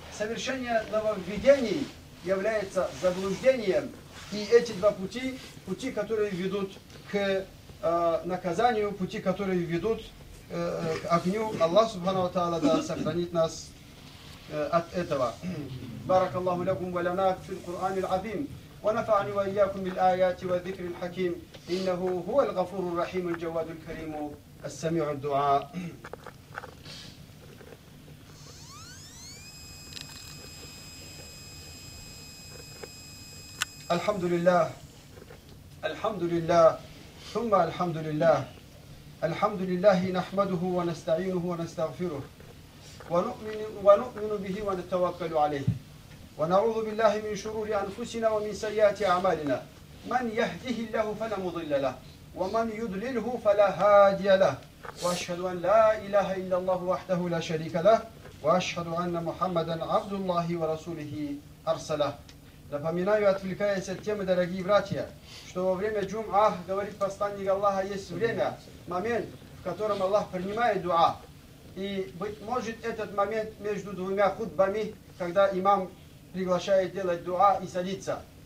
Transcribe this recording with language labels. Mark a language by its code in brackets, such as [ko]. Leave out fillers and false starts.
[ru] Совершение нововведений является заблуждением. И эти два пути – пути, которые ведут к наказанию, пути, которые ведут к огню. Аллах Субхана ва Тааля да сохранит нас от этого. [ar] بارك الله لكم ولنا في القرآن العظيم ونفعني وإياكم بالآيات والذكر الحكيم إنه هو الغفور الرحيم الجواد الكريم السميع الدعاء. الحمد لله الحمد لله ثم الحمد لله الحمد لله نحمده ونستعينه ونستغفره ونؤمن به ونتوكل عليه ونعوذ بالله من شرور أنفسنا ومن سيئات أعمالنا من يهده الله فلا مضل له ومن يضلله فلا هادي له وأشهد أن لا إله إلا الله وحده لا شريك له وأشهد أن محمدا عبد الله ورسوله أرسله. [ru] Напоминаю, отвлекаясь от темы, дорогие братья, что во время джум'а, говорит посланник Аллаха, есть время, момент, в котором Аллах принимает дуа. И, быть может, этот момент между двумя хутбами, когда имам приглашает делать дуа и садится.